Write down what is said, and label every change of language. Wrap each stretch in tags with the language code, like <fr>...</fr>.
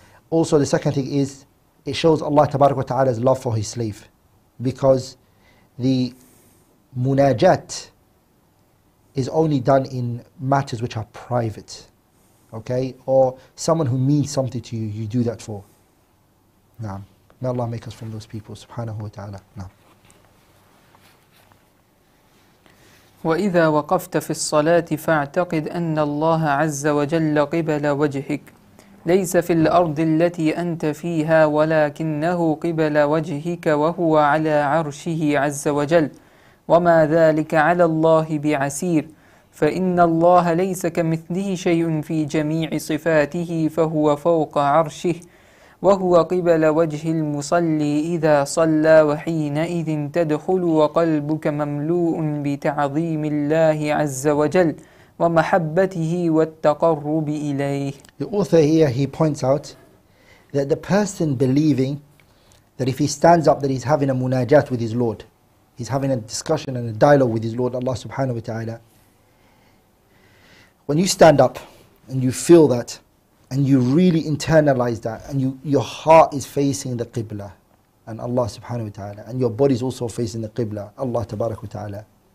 <en>Also, the second thing is, it shows Allah tabaraka wa ta'ala's love for his slave, because the munajat is only done in matters which are private, okay? Or someone who means something to you, you do that for. Naam. May Allah make us from those people, subhanahu wa ta'ala. Naam.</en> <ar>وَإِذَا وَقَفْتَ فِي الصَّلَاةِ فَاعْتَقِدْ أَنَّ اللَّهَ عَزَّ وَجَلَّ قِبَلَ وَجْهِكَ ليس في الأرض التي أنت فيها ولكنه قبل وجهك وهو على عرشه عز وجل وما ذلك على الله بعسير فإن الله ليس كمثله شيء في جميع صفاته فهو فوق عرشه وهو قبل وجه المصلي إذا صلى وحينئذ تدخل وقلبك مملوء بتعظيم الله عز وجل ومحبته والتقرب إليه.</ar> <en>The author here, he points out that the person believing that if he stands up that he's having a munajat with his Lord, he's having a discussion and a dialogue with his Lord, Allah subhanahu wa ta'ala. When you stand up and you feel that and you really internalize that and your heart is facing the Qibla and Allah subhanahu wa ta'ala and your body is also facing the Qibla, Allah tabarak wa ta'ala.</en>